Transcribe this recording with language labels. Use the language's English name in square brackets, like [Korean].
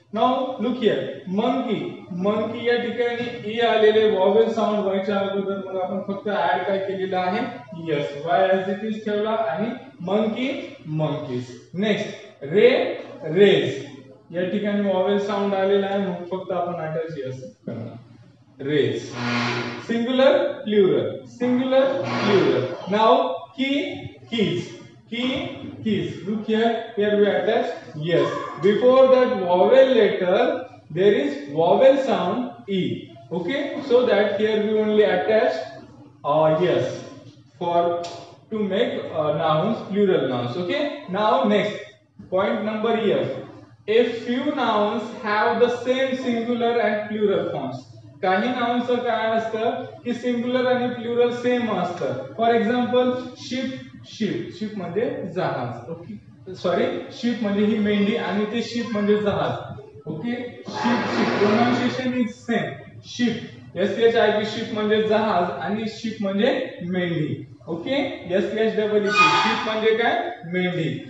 [English] now look here, [Marathi] monkey, monkey या ठिकाणी E आलेले वॉवेल साउंड वायच्या अगोदर, मग आपण फक्त ऍड काय केलेलं आहे, yes, [English] Y as it is [Marathi] ठेवला आणि मंकी मंकीज. नेक्स्ट रे रेज, या ठिकाणी वॉवेल साउंड आलेला आहे, मग फक्त आपण अटॅच यस करणार. [English] Rays singular plural, singular plural. Now key keys, key keys, look here, here we attach S. Before that vowel letter there is vowel sound E, okay, so that here we only attach S for to make nouns plural nouns. Okay, now next point number here, if few nouns have the same singular and plural forms. [Marathi] काही नाउन्सचं काय असतं की singular आणि plural same असतं. For example ship, ship, ship म्हणजे जहाज, okay, sorry ship म्हणजे ही मेंढी आणि ते शिप म्हणजे जहाज, okay, ship, ship, pronunciation is same, ship S H I P, ship म्हणजे जहाज आणि शिप म्हणजे मेंढी, okay, S H double E, ship म्हणजे काय, मेंढी.